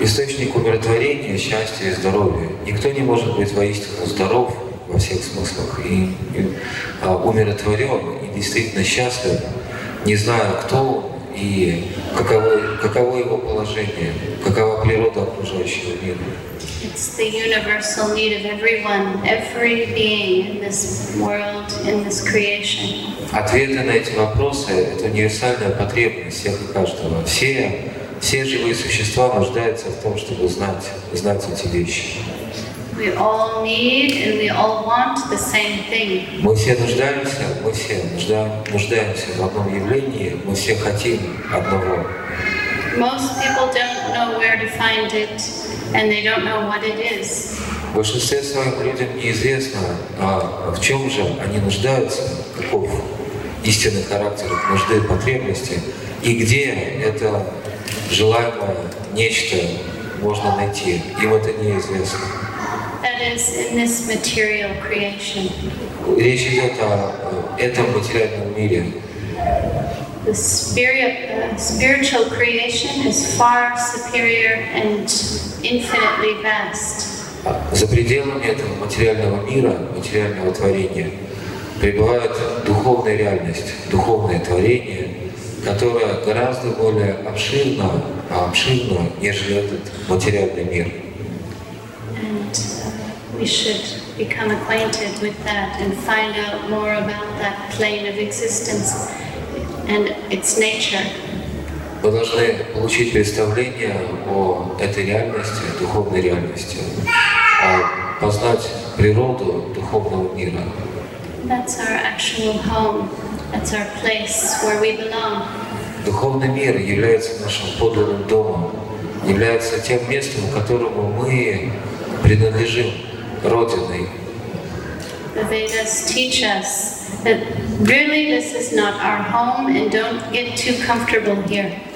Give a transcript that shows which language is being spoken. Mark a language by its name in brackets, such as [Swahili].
[Russian] Источник умиротворения, счастья и здоровья. Никто не может быть воистину здоров во всех смыслах и умиротворен и действительно счастлив, не зная, кто он и каково его положение, какова природа окружающего мира. [English] It's the universal need of everyone, every being in this world, in this creation. [Russian] Ответы на эти вопросы — это универсальная потребность всех и каждого. Все Все живые существа нуждаются в том, чтобы знать эти вещи. [English] We all need and we all want the same thing. [Russian] Мы все нуждаемся в одном явлении, мы все хотим одного. [English] Most people don't know where to find it and they don't know what it is. [Russian] В большинстве своем людям неизвестно, а в чем же они нуждаются, каков истинный характер их нужды и потребности, и где это желаемое нечто можно найти. Им это неизвестно. [English] That is in this material creation. [Russian] Речь идет о этом материальном мире. [English] The spiritual creation is far superior and infinitely vast. [Russian] За пределами этого материального мира, материального творения, пребывает духовная реальность, духовное творение, которое гораздо более обширно, нежели этот материальный мир. [English] And we should become acquainted with that and find out more about that plane of existence and its nature. [Russian] Мы должны получить представление о этой реальности, духовной реальности, познать природу духовного мира. [English] That's our actual home. That's our place where we belong. [Russian] Духовный мир является нашим подлинным домом, является тем местом, которому мы принадлежим, родиной. [English] The Vedas teach us that really this is not our home and don't get too comfortable here.